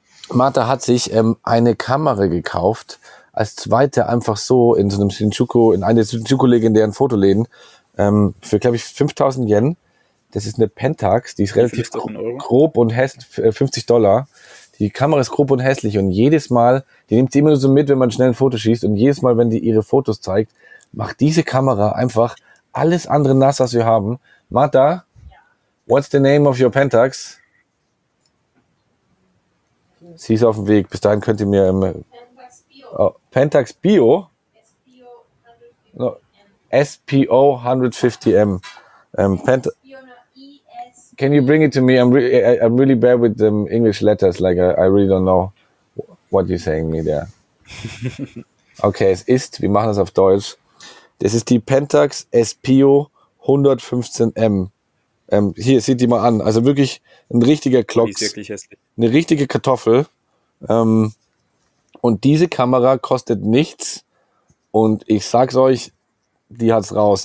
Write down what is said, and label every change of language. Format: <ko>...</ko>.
<de>Marta hat sich eine Kamera gekauft, als zweite einfach so in so einem Shinjuku, in einer Shinjuku-legendären Fotoläden, für, glaube ich, 5.000 Yen. Das ist eine Pentax, die ist relativ grob und hässlich, $50. Die Kamera ist grob und hässlich und jedes Mal, die nimmt sie immer nur so mit, wenn man schnell ein Foto schießt und jedes Mal, wenn die ihre Fotos zeigt, macht diese Kamera einfach alles andere nass, was wir haben. Marta, ja.</de> <en>What's the name of your Pentax?</en> <de>Sie ist auf dem Weg, bis dahin könnt ihr mir...</de> <en>Pentax Bio. Oh, Pentax Bio? SPO 150M. Can you bring it to me? I'm really bad with the English letters. Like I really don't know what you're saying me there.</en> <de>Okay, es ist, wir machen das auf Deutsch. Das ist die Pentax SPO 115M. Hier, sieht die mal an. Also wirklich ein richtiger Klotz. Eine richtige Kartoffel. Und diese Kamera kostet nichts. Und ich sag's euch, die hat's raus.</de>